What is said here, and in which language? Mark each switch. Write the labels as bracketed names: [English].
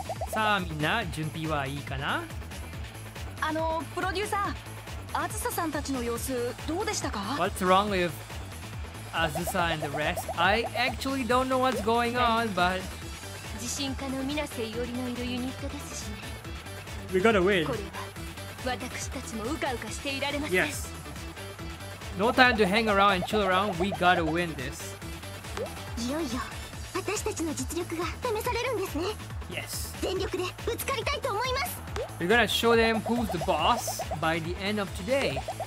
[Japanese] さあ、みんな、準備はいいかな？あの、プロデューサー、あずささんたちの様子、どうでしたか？ [English] What's wrong with Azusa and the rest? I actually don't know what's going on, but... [Japanese] 自信家のミナセよりのいるユニットですしね。 [English] We gotta win! [Japanese] これは、私たちもうかうかしていられません。 [English] Yes! No time to hang around and chill around, we gotta win this! [Japanese] いよいよ、私たちの実力が試されるんですね。 [English] Yes. [Japanese] 全力でぶつかりたいと思います。 [English] We're gonna show them who's the boss by the end of today.